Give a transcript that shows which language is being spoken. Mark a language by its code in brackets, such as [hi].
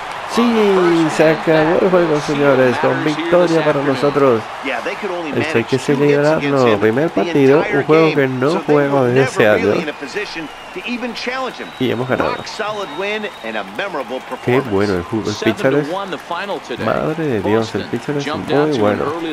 [es] Sí, se acabó el juego, señores, con victoria para nosotros. Esto hay que celebrarlo. Primer partido, un juego que no juego desde hace años. [en] to even challenge him. [es] Y hemos ganado. [en] Rock solid win and a memorable performance. [es] Qué bueno el jugo. El pitcher es... Madre de Dios, el pitcher es muy bueno.